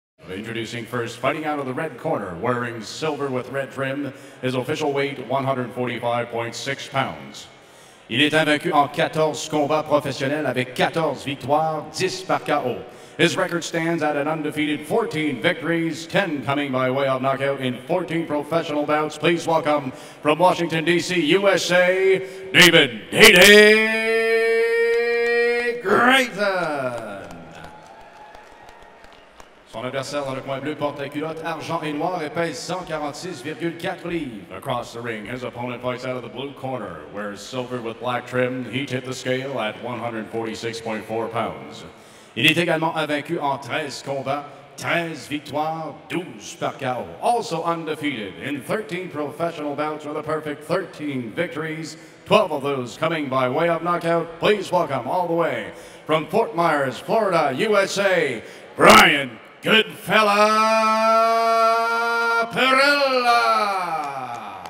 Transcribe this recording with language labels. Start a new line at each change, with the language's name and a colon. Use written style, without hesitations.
English: Introducing first, fighting out of the red corner, wearing silver with red trim, his official weight, 145.6 pounds.
French: Il est invaincu en 14 combats professionnels avec 14 victoires, 10 par KO.
English: His record stands at an undefeated 14 victories, 10 coming by way of knockout in 14 professional bouts. Please welcome from Washington, D.C., USA, David Hayden Grayton.
French: Son adversaire dans le coin bleu porte la culotte argent et noir et pèse 146,4 livres.
English: Across the ring, his opponent fights out of the blue corner, wears silver with black trim. He tipped the scale at 146.4 pounds.
French: Il est également invaincu en 13 combats, 13 victoires, 12 par KO.
English: Also undefeated in 13 professional bouts with a perfect 13 victories, 12 of those coming by way of knockout. Please welcome all the way from Fort Myers, Florida, USA, Bryant Goodfella Perrella.